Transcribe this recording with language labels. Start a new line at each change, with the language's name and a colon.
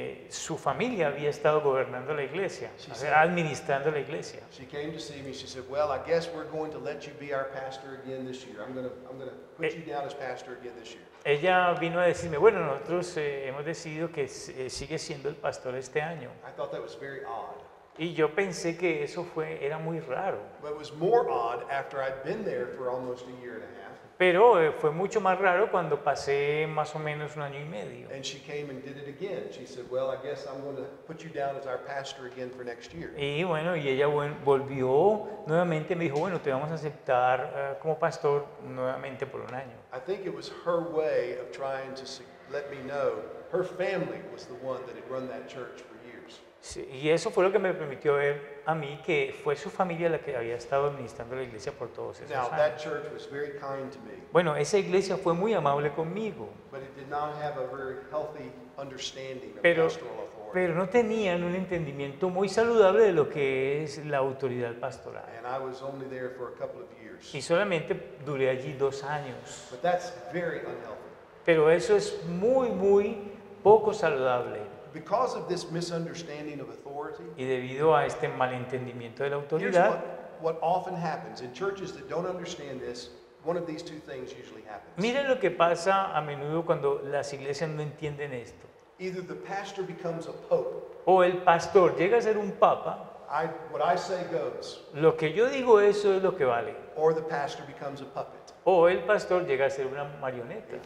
Spanish: Su familia había estado gobernando la iglesia, administrando la iglesia.
English: She came to see me. She said, "Well, I guess we're going to let you be our pastor again this year. I'm gonna put you down as pastor again this year."
Spanish: Ella vino a decirme, bueno, nosotros hemos decidido que sigue siendo el pastor este año.
English: I thought that was very odd.
Spanish: Y yo pensé que eso fue, era muy raro.
English: But it was more odd after I'd been there for almost a year and a half.
Spanish: Pero fue mucho más raro cuando pasé más o menos un año y medio. Y bueno, y ella volvió nuevamente y me dijo, bueno, te vamos a aceptar como pastor nuevamente por un año.
English: I think it was her way of trying to let me know her family was the one that had run that church for years.
Spanish: Sí, y eso fue lo que me permitió ver a mí que fue su familia la que había estado administrando la iglesia por todos esos años.
English: Now, that church was very kind to me.
Spanish: Bueno, esa iglesia fue muy amable conmigo.
English: But it did not have a very healthy understanding of pastoral authority.
Spanish: Pero no tenían un entendimiento muy saludable de lo que es la autoridad pastoral.
English: And I was only there for a couple of years.
Spanish: Y solamente duré allí 2 años.
English: But that's very unhealthy.
Spanish: Pero eso es muy, muy poco saludable.
English: Because of this misunderstanding of authority,
Spanish: y debido a este malentendimiento de la autoridad,
English: what often happens in churches that don't understand this, one of these two things usually happens.
Spanish: Miren lo que pasa a menudo cuando las iglesias no entienden esto.
English: Either the pastor becomes a pope.
Spanish: O el pastor llega a ser un papa.
English: What I say goes.
Spanish: Lo que yo digo, eso es lo que vale.
English: Or the pastor becomes a puppet.
Spanish: O el pastor llega a ser una marioneta.